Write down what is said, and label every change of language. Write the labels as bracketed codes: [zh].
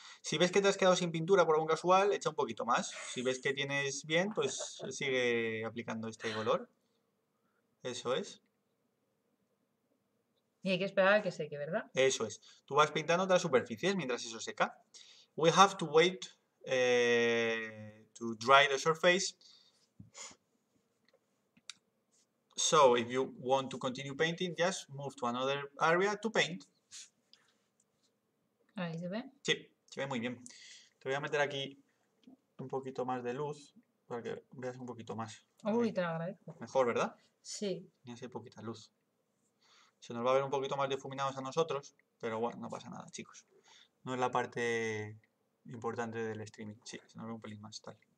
[es] Si ves que te has quedado sin pintura por algún casual, echa un poquito más. Si ves que tienes bien, pues sigue aplicando este color. Eso es. Y hay que esperar a que seque, ¿verdad? Eso es. Tú vas pintando otras superficies mientras eso seca. [en] We have to wait to dry the surface. So, if you want to continue painting, just move to another area to paint. [es] ¿Ahí se ve? Sí, se ve muy bien. Te voy a meter aquí un poquito más de luz para que veas un poquito más. Uy, te lo agradezco. Mejor, ¿verdad? Sí. Ya sé, poquita luz. Se nos va a ver un poquito más difuminados a nosotros, pero bueno, no pasa nada, chicos. No es la parte importante del streaming. Sí, se nos ve un pelín más, tal.